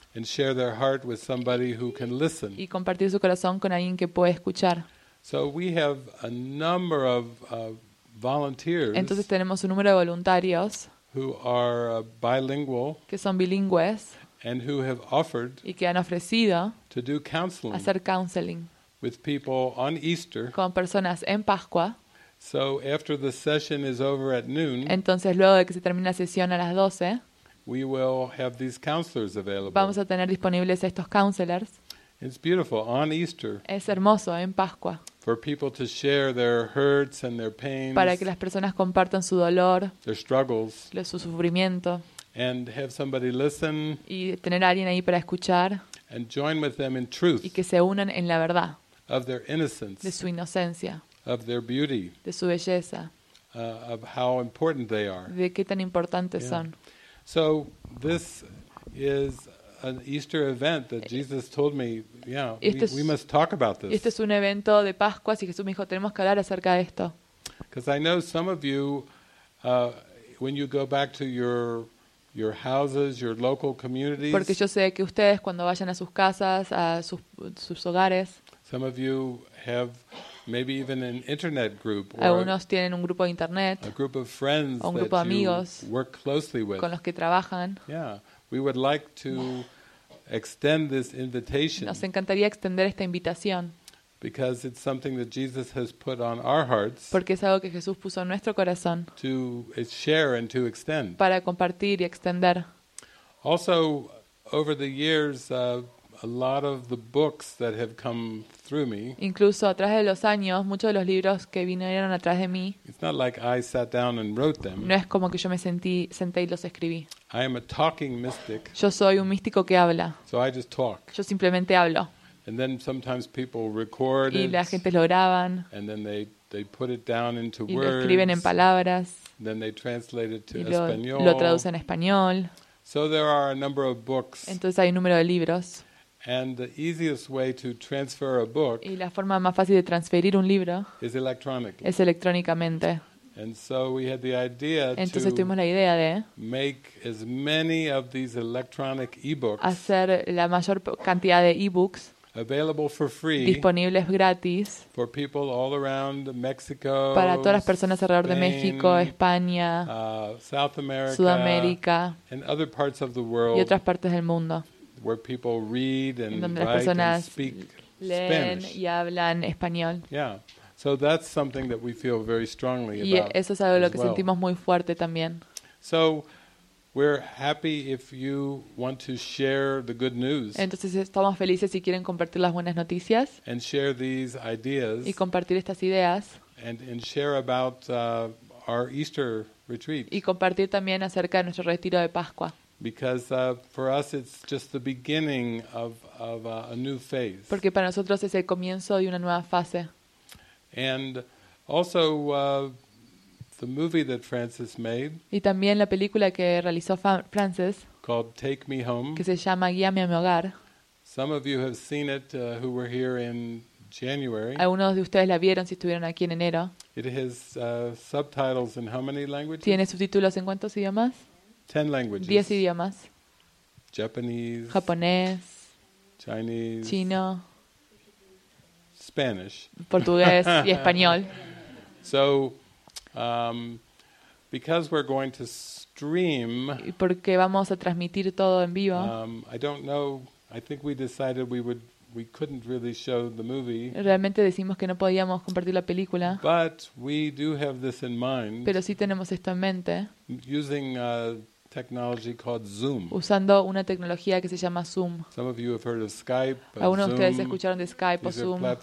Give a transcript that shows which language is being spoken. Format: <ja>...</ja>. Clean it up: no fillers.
<en>and share their heart with somebody who can listen,</en> <es>y compartir su corazón con alguien que puede escuchar.</es> <en>So we have a number of volunteers,</en> <es>entonces tenemos un número de voluntarios</es> <en>who are bilingual,</en> <es>que son bilingües,</es> <en>and who have offered</en> <es>y que han ofrecido</es> <en>to do counseling,</en> <es>hacer counseling</es> <en>with people on Easter,</en> <es>con personas en Pascua.</es> <en>So after the session is over at noon,</en> <es>entonces luego de que se termine la sesión a las 12,</es> <en>we will have these counselors available,</en> <es>vamos a tener disponibles estos counselors.</es> <en>It's beautiful on Easter,</en> <es>es hermoso en Pascua,</es> <en>for people to share their hurts and their pains,</en> <es>para que las personas compartan su dolor,</es> <en>their struggles,</en> <es>su sufrimiento,</es> <en>And have somebody listen.</en> <es>Y tener a alguien ahí para escuchar.</es> <en>And join with them in truth.</en> <es>Y que se unan en la verdad.</es> <en>Of their innocence.</en> <es>De su inocencia.</es> <en>Of their beauty.</en> <es>De su belleza.</es> <en>Of how important they are.</en> <es>De qué tan importantes son.</es> <en>So this is an Easter event that Jesus told me, we must talk about this.</en> <es>Este es un evento de Pascua, y Jesús me dijo, tenemos que hablar acerca de esto.</es> <en>Because I know some of you, when you go back to your houses, your local communities.</en> <es>Porque yo sé que ustedes cuando vayan a sus casas, a sus hogares.</es> <en>Some of you have maybe even an internet group.</en> <es>Algunos tienen un grupo de internet.</es> <en>A group of friends</en> <es>o un grupo</es> <en>that</en> <es>de amigos</es> <en>you work closely with.</en> <es>Con los que trabajan.</es> <en>Yeah. We would like to extend this invitation.</en> <es>Nos encantaría extender esta invitación.</es> <en>Because it's something that Jesus has put on our hearts.</en> <es>Porque es algo que Jesús puso en nuestro corazón.</es> <en>To share and to extend.</en> <es>Para compartir y extender.</es> <en>Also, over the years, a lot of the books that have come through me.</en> <es>Incluso a través de los años, muchos de los libros que vinieron a través de mí.</es> <en>It's not like I sat down and wrote them.</en> <es>No es como que yo me senté y los escribí.</es> <en>I am a talking mystic.</en> <es>Yo soy un místico que habla.</es> <en>So I just talk.</en> <es>Yo simplemente hablo.</es> <en>And then sometimes people record it.</en> <es>Y la gente lo graban.</es> <en>And then they put it down into words.</en> <es>Y lo escriben en palabras.</es> <en>Then they translate it to</en> <es>español. Lo traducen en español.</es> <en>So there are a number of books.</en> <es>Entonces hay un número de libros.</es> <en>And the easiest way to transfer a book.</en> <es>Y la forma más fácil de transferir un libro.</es> <en>Is electronically.</en> <es>Es electrónicamente.</es> <en>And so we had the idea</en> <es>entonces tuvimos la idea de</es> <en>make as many of these electronic e-books</en> <es>hacer la mayor cantidad de e-books</es> <en>available for free</en> <es>disponibles gratis</es> <en>for people all around Mexico,</en> <es>para todas las personas alrededor</es> <en>Spain,</en> <es>de México, España,</es> <en>South America,</en> <es>Sudamérica</es> <en>and other parts of the world</en> <es>y otras partes del mundo</es> <en>where people read and</en> <es>donde las personas</es> <en>write and speak</en> <es>leen</es> <en>Spanish.</en> <es>Y hablan español.</es> <en>Yeah. So that's something that we feel very strongly about.</en> <es>Y eso es algo lo que sentimos muy fuerte también.</es> <en>So we're happy if you want to share the good news.</en> <es>Entonces estamos felices si quieren compartir las buenas noticias.</es> <en>And share these ideas.</en> <es>Y compartir estas ideas.</es> <en>And share about our Easter retreat.</en> <es>Y compartir también acerca de nuestro retiro de Pascua.</es> <en>Because for us it's just the beginning of a new phase.</en> <es>Porque para nosotros es el comienzo de una nueva fase.</es> <en>And also the movie that Francis made.</en> <es>Y también la película que realizó Francis.</es> <en>Called Take Me Home.</en> <es>Que se llama Guíame a mi hogar.</es> <en>Some of you have seen it who were here in January.</en> <es>Algunos de ustedes la vieron si estuvieron aquí en enero.</es> <en>It has subtitles in how many languages?</en> <es>Tiene subtítulos en cuántos idiomas?</es> <en>10 languages.</en> <es>10 idiomas.</es> <en>Japanese.</en> <es>Japonés.</es> <en>Chinese.</en> <es>Chino.</es> <en>Spanish.</en> <es>Portugués y español.</es> <en>So, because we're going to stream.</en> <es>Y porque vamos a transmitir todo en vivo.</es> <en>I don't know. I think we decided we couldn't really show the movie.</en> <es>Realmente decimos que no podíamos compartir la película.</es> <en>But we do have this in mind.</en> <es>Pero sí tenemos esto en mente.</es> <en>Using a technology called Zoom.</en> <es>Usando una tecnología que se llama Zoom.</es> <en>Some of you have heard of Skype.</en> <es>Algunos de ustedes escucharon de Skype o Zoom.</es>